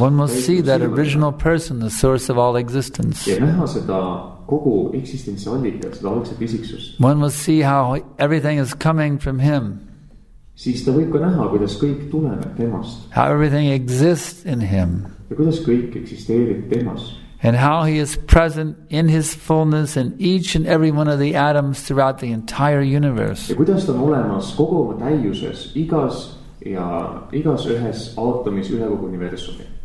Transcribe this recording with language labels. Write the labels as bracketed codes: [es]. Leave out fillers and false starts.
[en] one must see that original person, the source of all existence. [et] Ja näha seda kogu eksistentsi allikas, seda algset isiksust. [en] One must see how everything is coming from him. [et] Siis ta võib ka näha, kuidas kõik tuleneb temast. [en] How everything exists in him. [et] Ja kuidas kõik eksisteerib temas. [en] And how he is present in his fullness in each and every one of the atoms throughout the entire universe. [et] Ja kuidas ta on olemas kogu oma täiuses, igas ja igas ühes aatomis üle kogu universumi.